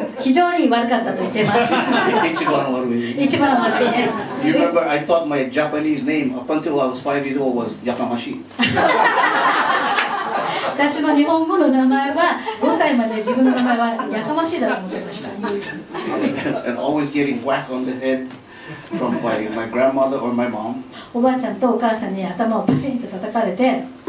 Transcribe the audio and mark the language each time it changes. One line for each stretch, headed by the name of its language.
Japanese: 非常に悪かったと言ってます。一番悪いね。
English: You remember I thought my Japanese name up until I was 5 years old was Yakamashi.
Japanese: 私の日本語の名前は5歳まで自分の名前はやかましいだと思ってました。
English: And always getting whack on the headFrom my grandmother or my mom.
Japanese: おばあちゃんとお母さんに頭をパシンと叩かれて。